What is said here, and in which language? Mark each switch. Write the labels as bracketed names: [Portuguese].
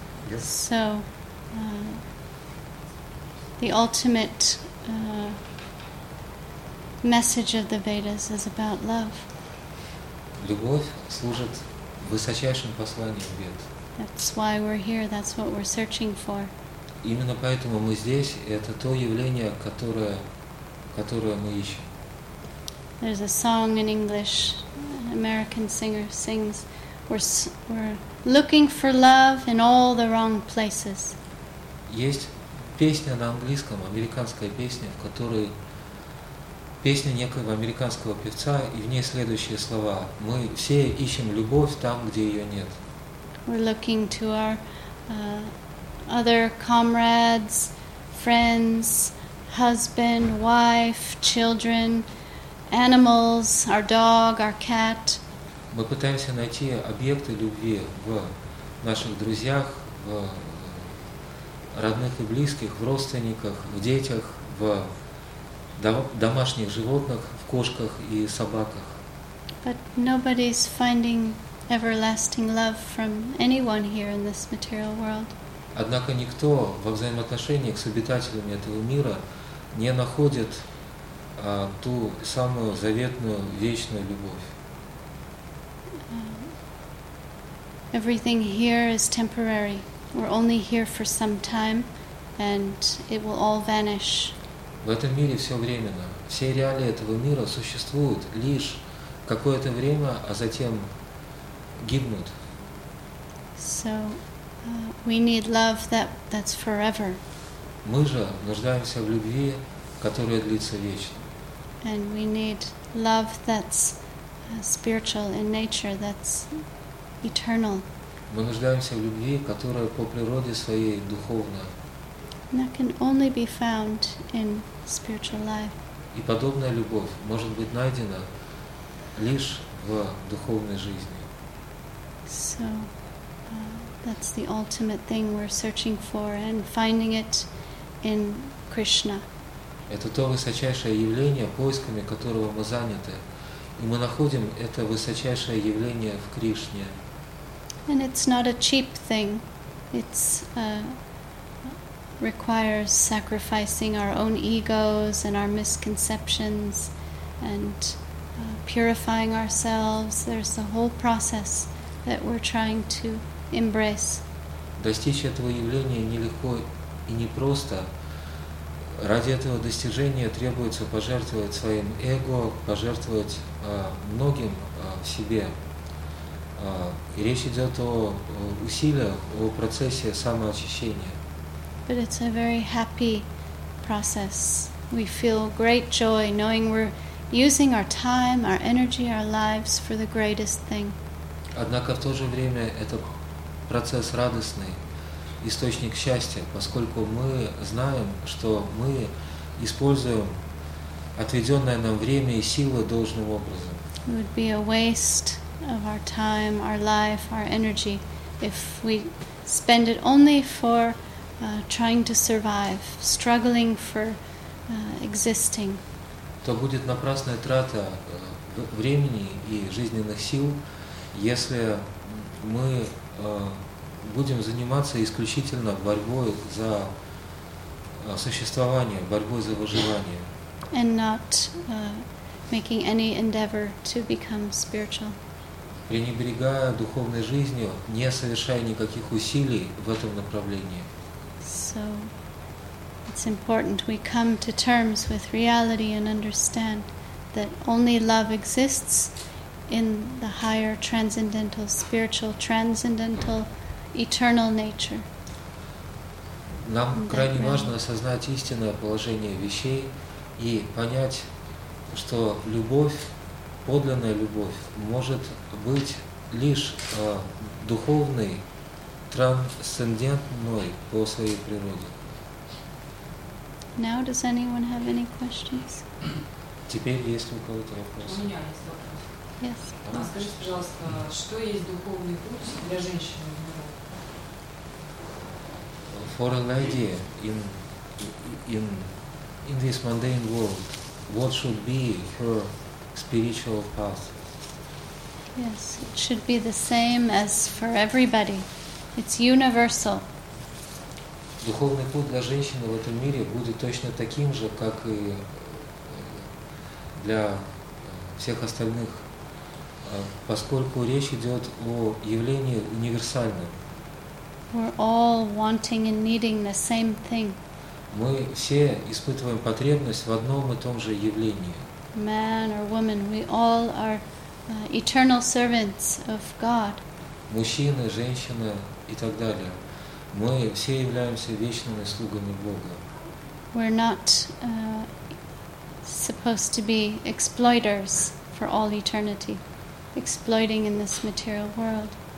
[English] Yes. So, the ultimate message of the Vedas is about love. [Russian] Любовь служит высочайшим посланием вед. [English] That's why we're here, that's what we're searching for. [Russian] Именно поэтому мы здесь, это то явление, которое мы ищем. [English] There's a song in English, an American singer sings, we're looking for love in all the wrong places. [Russian] Есть песня на английском, американская песня, в которой песня некого американского певца, и в ней следующие слова: мы все ищем любовь там, где ее нет. [English] We're looking to our other comrades, friends, husband, wife, children, animals, our dog, our cat. [Russian] Мы пытаемся найти объекты любви в наших друзьях, в родных и близких, в родственниках, в детях, в домашних животных, в кошках и собаках. [English] But nobody's finding everlasting love from anyone here in this material world. [Russian] Однако никто во взаимоотношениях с обитателями этого мира не находит ту самую заветную, вечную любовь. [English] Everything here is temporary. We're only here for some time, and it will all vanish. [Russian] В этом мире все временно. Все реалии этого мира существуют лишь какое-то время, а затем гибнут. [English] So, we need love that's forever. [Russian] Мы же нуждаемся в любви, которая длится вечно. [English] And we need love that's spiritual in nature, that's eternal. [Russian] Мы нуждаемся в любви, которая по природе своей духовна. [English] And that can only be found in spiritual life. [Russian] И подобная любовь может быть найдена лишь в духовной жизни. [English] So that's the ultimate thing we're searching for and finding it in Krishna. [Russian] Это то высочайшее явление, поисками которого мы заняты. И мы находим это высочайшее явление в Кришне. [English] And it's not a cheap thing. It's requires sacrificing our own egos and our misconceptions and purifying ourselves. There's a whole process that we're trying to embrace. [Russian] Достичь этого явления нелегко и непросто. Ради этого достижения требуется пожертвовать своим эго, пожертвовать многим в себе. И речь идет о усилиях, о процессе самоочищения. [English] But it's a very happy process. We feel great joy knowing we're using our time, our energy, our lives for the greatest thing. [Russian] Однако в то же время это процесс радостный, источник счастья, поскольку мы знаем, что мы используем отведенное нам время и силы должным образом. [English] It would be a waste of our time, our life, our energy if we spend it only for trying to survive, struggling for existing. [Russian] То будет напрасная трата времени и жизненных сил, если мы будем заниматься исключительно борьбой за существование, борьбой за выживание. [English] And not making any endeavor to become spiritual. [Russian] Пренебрегая духовной жизнью, не совершая никаких усилий в этом направлении. [English] So it's important we come to terms with reality and understand that only love exists in the higher transcendental, spiritual, transcendental, eternal nature. [Russian] Нам крайне важно осознать истинное положение вещей и понять, что любовь, подлинная любовь может быть лишь духовной, трансцендентной по своей природе. [English] Now does anyone have any questions? [Russian] Теперь есть ли у кого-то вопросы? У меня есть вопрос. [English] Yes. [Russian] Скажите, пожалуйста, что есть духовный путь для женщины в мире? [English] For a lady in this mundane world, what should be her spiritual path? Yes, it should be the same as for everybody. It's universal. [Russian] Духовный путь для женщины в этом мире будет точно таким же, как и для всех остальных, поскольку речь идет о явлении универсальном. [English] We're all wanting and needing the same thing. [Russian] Мы все испытываем потребность в одном и том же явлении. [English] Man or woman, we all are eternal servants of God. [Russian] Мужчины, женщины и так далее. Мы все являемся вечными слугами Бога. [English] We're not supposed to be exploiters for all eternity, exploiting in this material world.